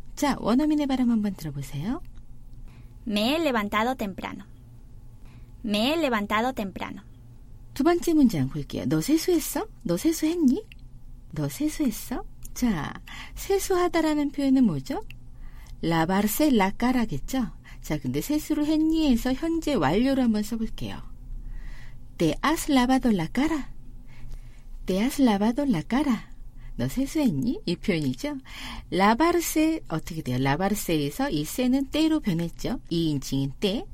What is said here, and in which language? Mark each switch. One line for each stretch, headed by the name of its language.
Korean: 자, 원어민의 발음 한번 들어보세요.
Spanish: Me he levantado temprano. Me he levantado temprano.
Korean: 두 번째 문장 볼게요. 너 세수했어? 너 세수했니? 너 세수했어? 자, 세수하다라는 표현은 뭐죠?
Spanish: Lavarse la cara겠죠?
Korean: 자, 근데 세수를 했니에서 현재 완료로 한번 써볼게요.
Spanish: Te has lavado la cara. Te has lavado la cara.
Korean: 너 세수했니? 이 표현이죠. Lavarse 어떻게 돼요? Lavarse에서 이 se는 때로 변했죠. 2인칭인 때.